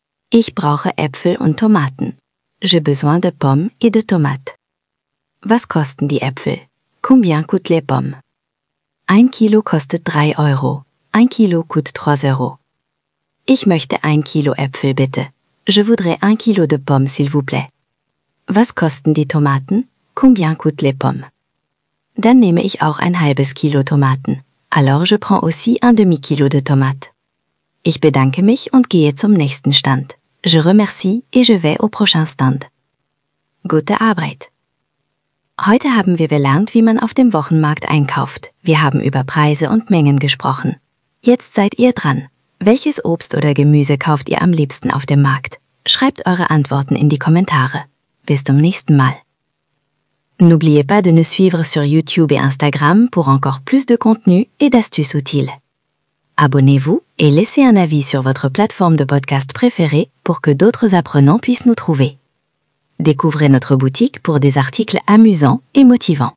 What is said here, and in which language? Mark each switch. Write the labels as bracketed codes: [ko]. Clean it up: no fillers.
[de] Ich brauche Äpfel und Tomaten. [fr] J'ai besoin de pommes et de tomates. [de] Was kosten die Äpfel? [fr] Combien coûtent les pommes? [de] 1 Kilo kostet 3 Euro. [fr] 1 Kilo coûte 3 euros. [de] Ich möchte 1 Kilo Äpfel, bitte. [fr] Je voudrais 1 Kilo de pommes, s'il vous plaît. [de] Was kosten die Tomaten? [fr] Combien coûtent les pommes? [de] Dann nehme ich auch 1/2 Kilo Tomaten. [fr] Alors je prends aussi 1/2 Kilo de tomates. [de] Ich bedanke mich und gehe zum nächsten Stand. [fr] Je remercie et je vais au prochain stand. [de] Gute Arbeit! Heute haben wir gelernt, wie man auf dem Wochenmarkt einkauft. Wir haben über Preise und Mengen gesprochen. Jetzt seid ihr dran. Welches Obst oder Gemüse kauft ihr am liebsten auf dem Markt? Schreibt eure Antworten in die Kommentare. Bis zum nächsten Mal. [fr] N'oubliez pas de nous suivre sur YouTube et Instagram pour encore plus de contenu et d'astuces utiles. Abonnez-vous et laissez un avis sur votre plateforme de podcast préférée pour que d'autres apprenants puissent nous trouver. Découvrez notre boutique pour des articles amusants et motivants.